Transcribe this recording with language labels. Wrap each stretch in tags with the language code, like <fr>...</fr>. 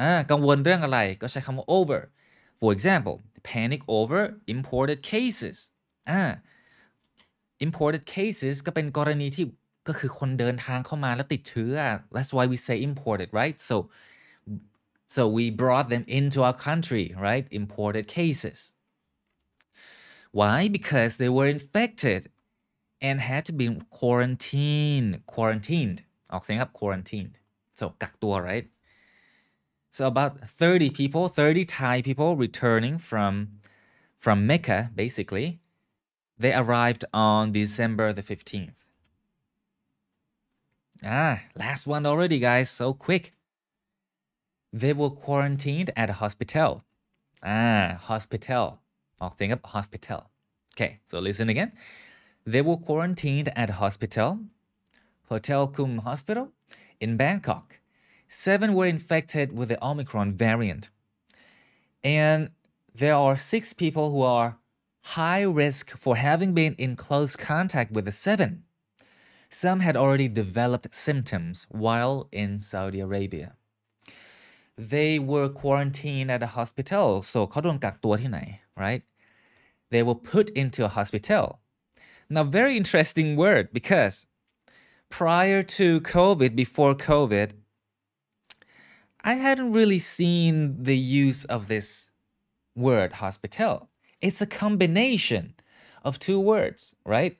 <th>กังวลเรื่องอะไรก็ใช้คำว่า</th> <en>over. For example, panic over imported cases.</en> <th>Imported cases ก็เป็นกรณีที่ก็คือคนเดินทางเข้ามาแล้วติดเชื้อ</th> <en>That's why we say imported, right? So we brought them into our country, right? Imported cases. Why? Because they were infected and had to be quarantined.</en> <th>ออกเสียงครับ</th> <en>quarantined. So กักตัว right? So about 30 Thai people returning from Mecca, basically, they arrived on December the 15th. Last one already, guys. So quick. They were quarantined at a hospital. Hospital.</en> <th>ออกเสียงครับ hospital.</th> <en>Okay, so listen again. They were quarantined at a hospital, Hotel Kum Hospital, in Bangkok. 7 were infected with the Omicron variant. And there are 6 people who are high risk for having been in close contact with the 7. Some had already developed symptoms while in Saudi Arabia. They were quarantined at a hospital.</en> <th>So, เขาโดนกักตัวที่ไหน, right?</th> <en>They were put into a hospital. Now, very interesting word because prior to COVID, before COVID, I hadn't really seen the use of this word, hospital. It's a combination of 2 words, right?</en>